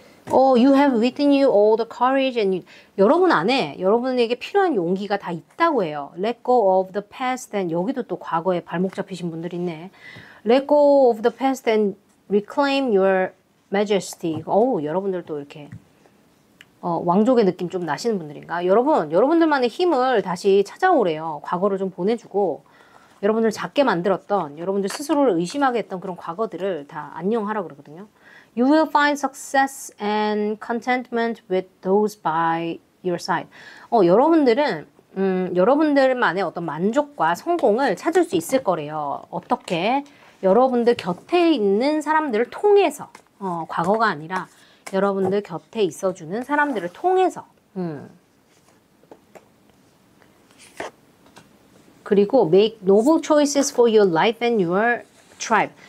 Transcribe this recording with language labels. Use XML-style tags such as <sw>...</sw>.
<en>Oh, you have within you all the courage and you.</en> <ko>여러분 안에, 여러분에게 필요한 용기가 다 있다고 해요.</ko> <en>Let go of the past and</en> <ko>여기도 또 과거에 발목 잡히신 분들 있네.</ko> <en>Let go of the past and reclaim your majesty.</en> <ko>오, 여러분들도 이렇게. 왕족의 느낌 좀 나시는 분들인가? 여러분들만의 힘을 다시 찾아오래요. 과거를 좀 보내주고, 여러분들 작게 만들었던, 여러분들 스스로를 의심하게 했던 그런 과거들을 다 안녕하라 그러거든요.</ko> <en>You will find success and contentment with those by your side.</en> <ko>여러분들은, 여러분들만의 어떤 만족과 성공을 찾을 수 있을 거래요. 어떻게? 여러분들 곁에 있는 사람들을 통해서, 과거가 아니라, 여러분들 곁에 있어주는 사람들을 통해서 그리고</ko> <en>make noble choices for your life and your tribe.</en>